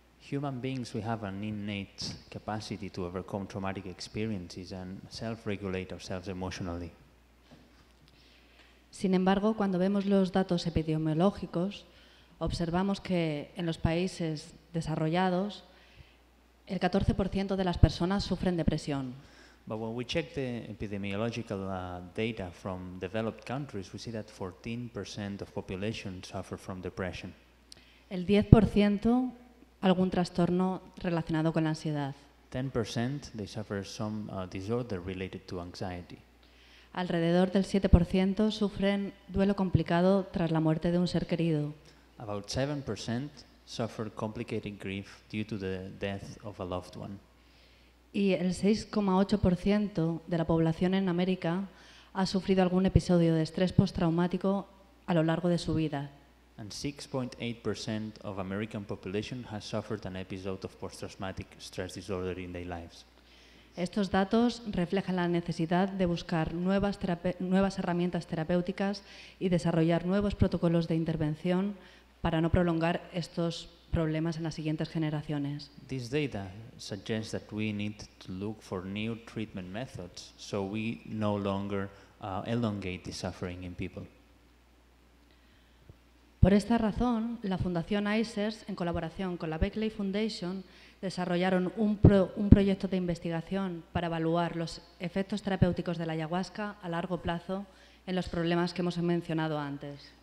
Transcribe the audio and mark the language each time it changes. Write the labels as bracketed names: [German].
[English] Human beings, we have an innate capacity to overcome traumatic experiences and self-regulate ourselves emotionally. [Spanish] Sin embargo, cuando vemos los datos epidemiológicos, observamos que en los países desarrollados, el 14% de las personas sufren depresión. [English] But when we check the epidemiological data from developed countries, we see that 14% of population suffer from depression. [Spanish] El 10% algún trastorno relacionado con la ansiedad. [English] 10% they suffer some disorder related to anxiety. [Spanish] Alrededor del 7% sufren duelo complicado tras la muerte de un ser querido. [English] About 7% suffer complicated grief due to the death of a loved one. [Spanish] Y el 6,8% de la población en América ha sufrido algún episodio de estrés postraumático a lo largo de su vida. [English] And 6.8% of American population has suffered an episode of post-traumatic stress disorder in their lives. [Spanish] Estos datos reflejan la necesidad de buscar nuevas herramientas terapéuticas y desarrollar nuevos protocolos de intervención para no prolongar estos problemas en las siguientes generaciones. [English] This data suggests that we need to look for new treatment methods so we no longer elongate the suffering in people. [Spanish] Por esta razón, la Fundación ICERS, en colaboración con la Beckley Foundation, desarrollaron un proyecto de investigación para evaluar los efectos terapéuticos de la ayahuasca a largo plazo en los problemas que hemos mencionado antes.